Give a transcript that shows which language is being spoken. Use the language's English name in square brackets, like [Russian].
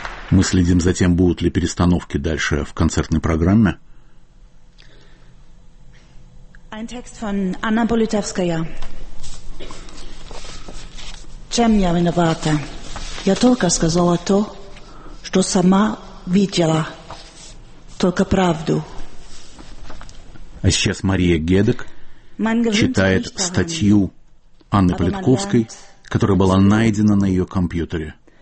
[Russian] Мы следим за тем, будут ли перестановки дальше в концертной программе. [German] Ein Text von Anna Politkovskaya. [Russian] Чем я виновата? Я только сказала то, что сама видела. Только правду. А сейчас Мария Гедек читает статью Анны Политковской, которая была найдена на ее компьютере.